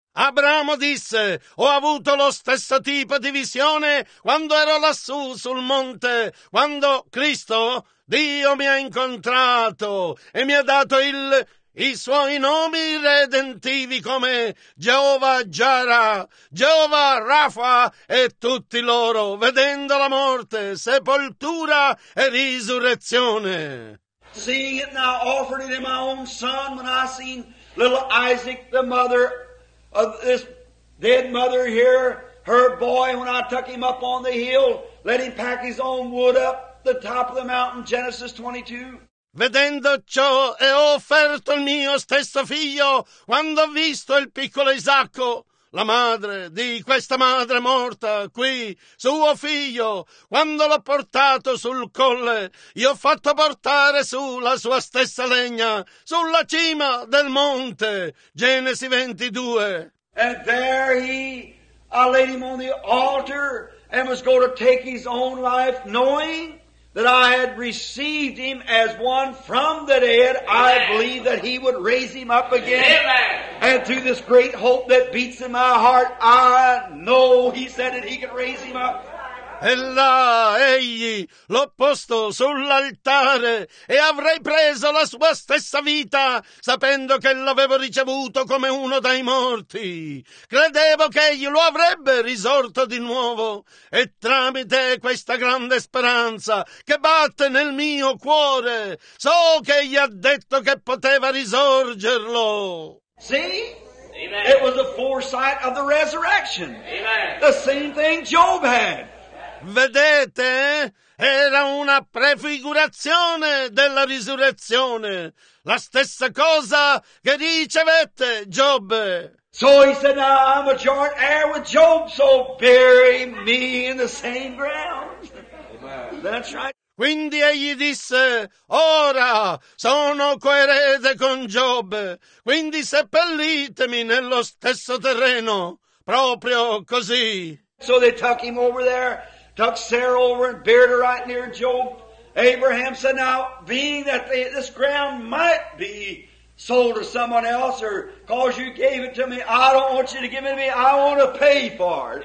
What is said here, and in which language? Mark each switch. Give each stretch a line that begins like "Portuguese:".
Italian: Abramo disse, ho avuto lo stesso tipo di visione quando ero lassù sul monte, quando Cristo, Dio mi ha incontrato e mi ha dato i suoi nomi redentivi come Geova Giara, Geova Rafa e tutti loro, vedendo la morte, sepoltura e risurrezione.
English: Seeing it now offered it in my own son when I seen little Isaac the mother of this dead mother here, her boy, when I took him up on the hill, let him pack his own wood up the top of the mountain, Genesis 22.
Italian: Vedendo ciò, e ho offerto il mio stesso figlio, quando ho visto il piccolo Isacco, la madre di questa madre morta qui, suo figlio, quando l'ho portato sul colle, io ho fatto portare su la sua stessa legna, sulla cima del monte, Genesi 22.
English: And there he, I laid him on the altar, and was going to take his own life, knowing that I had received him as one from the dead. Amen. I believe that he would raise him up again. Amen. And through this great hope that beats in my heart, I know he said that he could raise him up.
Italian: E là egli l'ho posto sull'altare e avrei preso la sua stessa vita sapendo che l'avevo ricevuto come uno dai morti. Credevo che egli lo avrebbe risorto di nuovo e tramite questa grande speranza che batte nel mio cuore so che egli ha detto che poteva risorgerlo. Sì? Amen.
English: It was a foresight of the resurrection. Amen. The same thing Job had.
Italian: Vedete? Era una prefigurazione della risurrezione. La stessa cosa che ricevette Giobbe.
English: So he said, now I'm a joint heir with Job, so bury me in the same ground. That's right.
Italian: Quindi egli disse, ora sono coerede con Giobbe, quindi seppellitemi nello stesso terreno. Proprio così.
English: So they took him over there. Took Sarah over and buried her right near Job. Abraham said, now, being that this ground might be sold to someone else, or because you gave it to me, I don't want you to give it to me. I want to pay for it.